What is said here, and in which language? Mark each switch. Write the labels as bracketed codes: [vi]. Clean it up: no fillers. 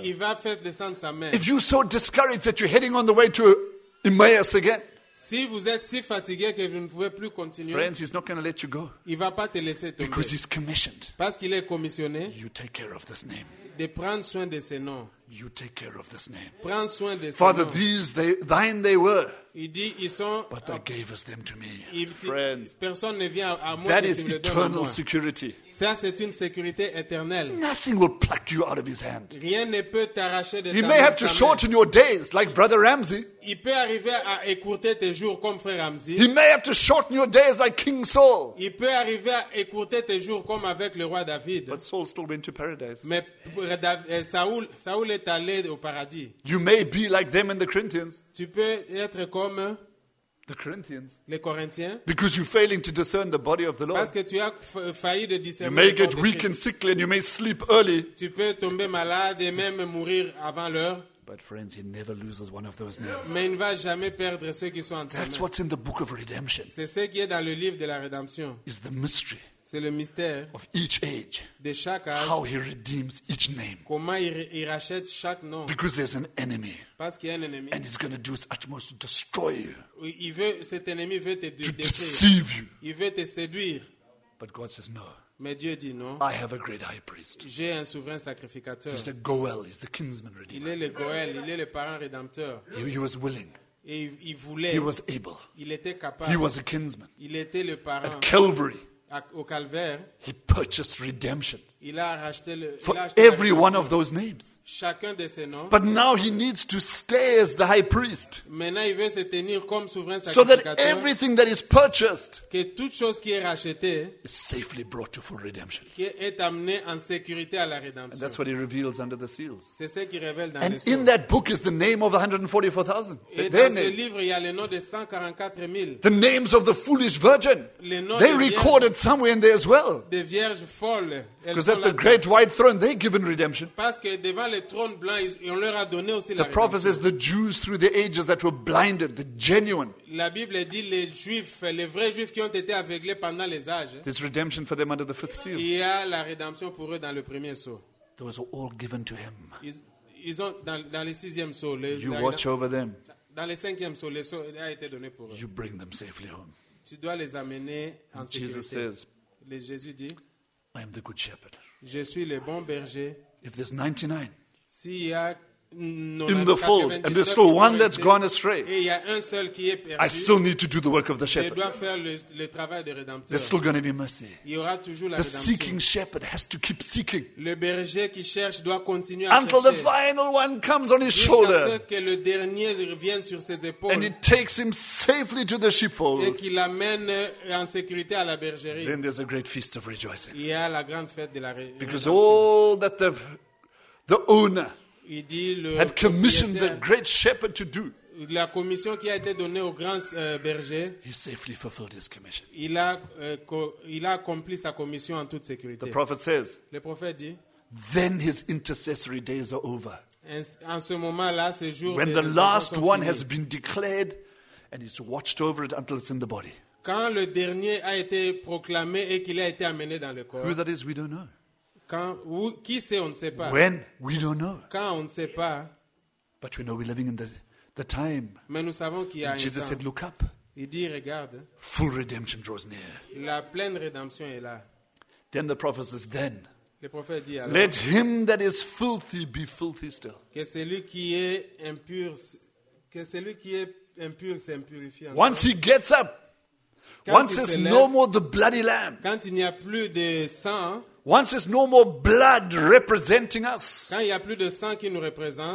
[en] If you're so discouraged that you're heading on the way to Emmaus again, [fr] Si vous êtes si fatigué que vous ne pouvez plus continuer, [en] Friends, he's not going to let you go. [fr] Il va pas te laisser tomber. [en] Because he's commissioned. [fr] Parce qu'il est commissionné. [en] You take care of this name. [fr] De prendre soin de ce nom. [en] You take care of this name. [fr] Prends soin de [en] Father, [fr] nom. [en] These they thine they were. [fr] Il dit, ils sont, [en] but thou gavest them to me. Friends, [fr] personne ne vient à moi. [en] That is eternal security. [fr] Ça, c'est une sécurité éternelle. [en] Nothing will pluck you out of his hand. [fr] Rien ne peut t'arracher de [en] he may have to shorten your days, like Brother Ramsey. [fr] Il peut arriver à écourter tes jours comme frère Ramsey. [en] He may have to shorten your days like King Saul. [fr] Il peut arriver à écourter tes jours comme avec le roi David. [en] But Saul still went to paradise. [fr] Mais Saul est allé au paradis. [en] You may be like them in the Corinthians. [fr] Tu peux être comme [en] the Corinthians. [fr] Les Corinthiens. [en] Because you're failing to discern the body of the Lord. [fr] Parce que tu as failli de discerner. [en] You may get weak and sickly, and you may sleep early. [fr] Tu peux tomber malade et même mourir avant l'heure. [en] But friends, he never loses one of those names. [fr] Mais il ne va jamais perdre ceux qui sont en train. [en] That's what's in the book of redemption. [fr] C'est ce qui est dans le livre de la rédemption. [en] Is the mystery. [fr] C'est le mystère. [en] Of each age. [fr] De chaque âge. [en] How he redeems each name. [fr] Comment il rachète chaque nom. [en] Because there's an enemy. [fr] Parce qu'il y a un ennemi. [en] And he's going to do his utmost to destroy you. [fr] Il veut, cet ennemi veut te détruire. [en] To deceive you. [fr] Il veut te séduire. [en] But God says no. [fr] Mais Dieu dit non. [en] I have a great high priest. [fr] J'ai un souverain sacrificateur. [en] He's the Goel, he's the kinsman redeemer. [fr] Il est le Goel, il est le parent rédempteur. [en] He was willing. [fr] Et il voulait. [en] He was able. [fr] Il était capable. [en] He was a kinsman. [fr] Il était le parent. [en] At Calvary. [fr] Au Calvaire. [en] He purchased redemption. [fr] Il a racheté le, [en] for [fr] il a acheté [en] every one of those names. [fr] Chacun de ces noms. [en] But now he needs to stay as the high priest. [fr] Maintenant, il veut se tenir comme souverain sacrificateur. [en] So that everything that is purchased, [fr] que toute chose qui est rachetée, [en] is safely brought to full redemption. [fr] Qui est amené en sécurité à la rédemption. [en] And that's what he reveals under the seals. [fr] C'est ce qu'il révèle dans [en] and [fr] les [en] And in that book is the name of 144,000. [fr] Et dans ce livre, il y a le nom de 144,000. [en] The names of the foolish virgin. [fr] Les noms [en] they recorded somewhere in there as well. [fr] Des vierges folles. [en] Because at the great white throne, they're given redemption. [fr] Parce que devant le trône blanc, on leur a donné aussi [en] the prophet says the Jews through the ages that were blinded, the genuine. [fr] La Bible dit les Juifs, les vrais Juifs qui ont été aveuglés pendant les âges. [en] There's redemption for them under the fifth seal. [fr] Il y a la rédemption pour eux dans le premier sceau. [en] Those are all given to him. [fr] Ils ont dans le sixième sceau. [en] You watch over them. [fr] Dans le cinquième sceau, le sceau a été donné pour eux. [en] You bring them safely home. [fr] Tu dois les amener en sécurité. [en] Jesus says. [fr] Le Jésus dit. [en] I am the good shepherd. [fr] Je suis le bon berger. [en] If there's 99, [fr] s'il y a [en] in the fold, and there's still one that's gone astray, [fr] et y a un seul qui est perdu, [en] I still need to do the work of the shepherd. [fr] Je dois faire le travail de rédempteur. [en] There's still going to be mercy. [fr] Il y aura toujours la [en] the [fr] rédemption. [en] Seeking shepherd has to keep seeking. [fr] Le berger qui cherche doit continuer à [en] until [fr] chercher. [en] The final one comes on his shoulder. [fr] Que le dernier revienne sur ses épaules. [en] And it takes him safely to the sheepfold. [fr] Et qu'il l'amène en sécurité à la bergerie. [en] Then there's a great feast of rejoicing. [fr] Il y a la grande fête de la rédemption. [en] Because all that the owner had commissioned the great shepherd to do. [fr] La commission qui a été donnée au grand berger. [en] He safely fulfilled his commission. [fr] Il a accompli sa commission en toute sécurité. [en] The prophet says. [fr] Le prophète dit. [en] Then his intercessory days are over. [fr] En ce moment-là, ces jours. [en] When the last one has been declared, and he's watched over it until it's in the body. [fr] Quand le dernier a été proclamé et qu'il a été amené dans le corps. [en] Who that is, we don't know. [fr] Quand, où, qui sait, on ne sait pas. [en] When we don't know. [fr] Quand on ne sait pas. [en] But we know we're living in the time. [fr] Mais nous savons qu'il y a [en] and [fr] un [en] Jesus [fr] temps. [en] Said, look up. [fr] Il dit, regarde. [en] Full redemption draws near. [fr] La pleine rédemption est là. [en] Then the prophet says, then. [fr] Le prophète dit, alors, [en] let him that is filthy be filthy still. [fr] Que celui qui est impur, que celui qui est impur s'impurifie. Encore. [en] Once he gets up. [fr] Quand [en] once there's no more the bloody lamb. [fr] Quand il n'y a plus de sang. [en] Once there's no more blood representing us. [fr] Quand il y a plus de sang qui nous représente.